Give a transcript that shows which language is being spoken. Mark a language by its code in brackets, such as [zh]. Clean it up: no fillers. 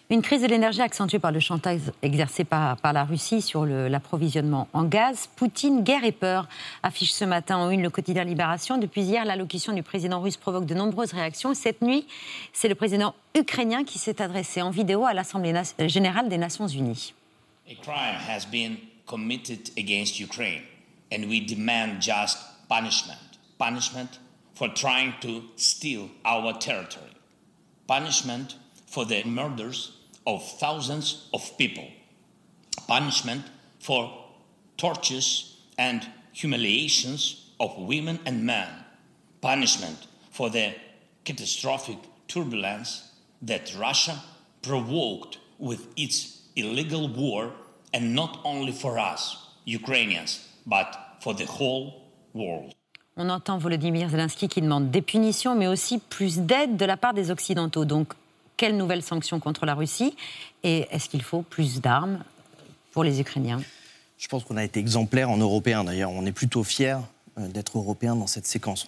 [fr] Une crise de l'énergie accentuée par le chantage exercé par la Russie sur l'approvisionnement en gaz. Poutine, guerre et peur, affiche ce matin en une le quotidien Libération. Depuis hier, l'allocution du président russe provoque de nombreuses réactions. Cette nuit, c'est le président ukrainien qui s'est adressé en vidéo à l'Assemblée générale des Nations Unies. [en] A crime has been committed against Ukraine and we demand just punishment. Punishment for trying to steal our territory. Punishment for the murders of thousands of people. Punishment for tortures and humiliations of women and men. Punishment for the catastrophic turbulence that Russia provoked with its illegal war, and not only for us, Ukrainians, but for the whole world. [fr] On entend Volodymyr Zelensky qui demande des punitions, mais aussi plus d'aide de la part des Occidentaux. Donc, quelles nouvelles sanctions contre la Russie? Et est-ce qu'il faut plus d'armes pour les Ukrainiens? Je pense qu'on a été exemplaires en Européen. D'ailleurs, on est plutôt fiers d'être Européens dans cette séquence.